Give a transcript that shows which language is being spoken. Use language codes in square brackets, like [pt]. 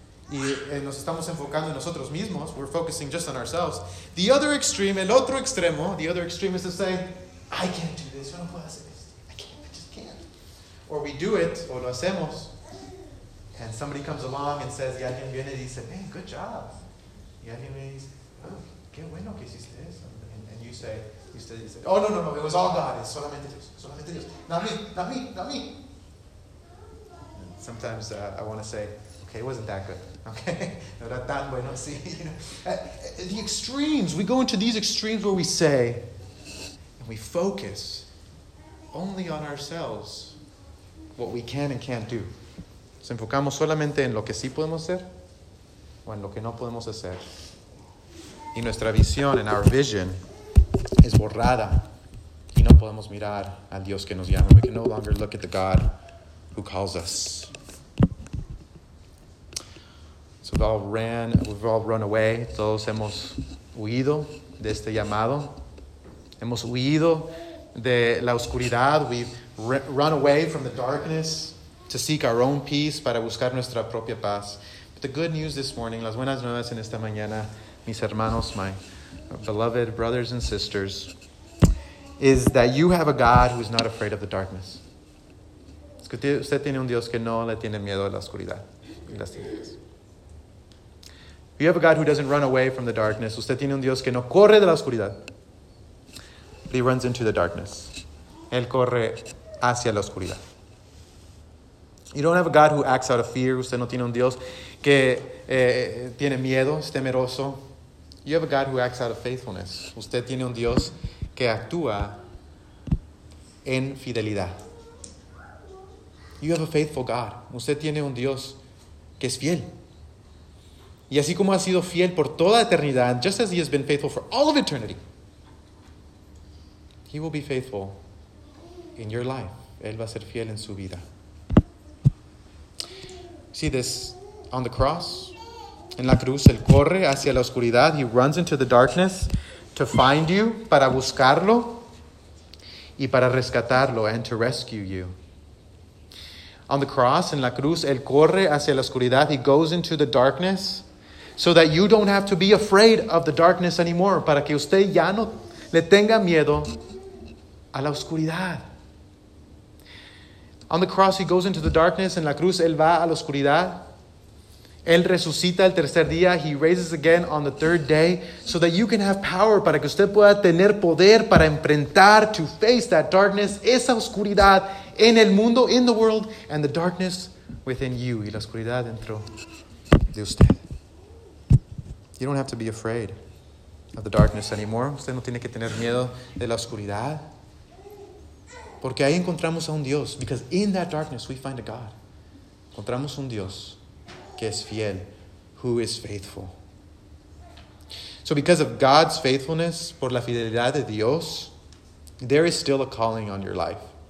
[es] Y nos estamos enfocando en nosotros mismos. [en] We're focusing just on ourselves. The other extreme, [es] el otro extremo, [en] the other extreme is to say, I can't do this. [es] Yo no puedo hacer esto. [en] I can't. I just can't. Or we do it, [es] o lo hacemos. [en] And somebody comes along and says, [es] y alguien viene y dice, [en] hey, good job. [es] Y alguien viene y dice, oh, qué bueno que hiciste eso. [en] And you say, [es] usted dice, [en] oh, no, it was all God. It's [es] solamente Dios. Solamente Dios. [en] Not me. Sometimes I want to say, okay, it wasn't that good. Okay. [es] No era tan bueno, sí. [en] The extremes, we go into these extremes where we say, and we focus only on ourselves, what we can and can't do. [es] Nos enfocamos solamente en lo que sí podemos hacer o en lo que no podemos hacer. Y nuestra visión, [en] and our vision, [es] es borrada. Y no podemos mirar al Dios que nos llama. [en] We can no longer look at the God who calls us. So we've all run away. [es] Todos hemos huido de este llamado. Hemos huido de la oscuridad. [en] We've run away from the darkness to seek our own peace, [es] para buscar nuestra propia paz. [en] But the good news this morning, [es] las buenas nuevas en esta mañana, mis hermanos, [en] my beloved brothers and sisters, is that you have a God who is not afraid of the darkness. [es] Es que usted tiene un Dios que no le tiene miedo a la oscuridad y las tinieblas. [en] You have a God who doesn't run away from the darkness. [es] Usted tiene un Dios que no corre de la oscuridad. [en] But he runs into the darkness. [es] Él corre hacia la oscuridad. [en] You don't have a God who acts out of fear. [es] Usted no tiene un Dios que tiene miedo, es temeroso. [en] You have a God who acts out of faithfulness. [es] Usted tiene un Dios que actúa en fidelidad. [en] You have a faithful God. [es] Usted tiene un Dios que es fiel. Y así como ha sido fiel por toda eternidad, [en] just as he has been faithful for all of eternity, he will be faithful in your life. [es] Él va a ser fiel en su vida. [en] See this on the cross. [es] En la cruz, él corre hacia la oscuridad. [en] He runs into the darkness to find you, [es] para buscarlo y para rescatarlo, [en] and to rescue you. On the cross, [es] en la cruz, él corre hacia la oscuridad. [en] He goes into the darkness so that you don't have to be afraid of the darkness anymore. [es] Para que usted ya no le tenga miedo a la oscuridad. [en] On the cross, he goes into the darkness. [es] En la cruz, él va a la oscuridad. Él resucita el tercer día. [en] He raises again on the third day. So that you can have power. [es] Para que usted pueda tener poder para enfrentar, [en] to face that darkness, [es] esa oscuridad en el mundo, [en] in the world, and the darkness within you. [es] Y la oscuridad dentro de usted. [en] You don't have to be afraid of the darkness anymore. [es] Usted no tiene que tener miedo de la oscuridad. Porque ahí encontramos a un Dios. [en] Because in that darkness we find a God. [es] Encontramos un Dios que es fiel, [en] who is faithful. So because of God's faithfulness, [es] por la fidelidad de Dios, [en] there is still a calling on your life.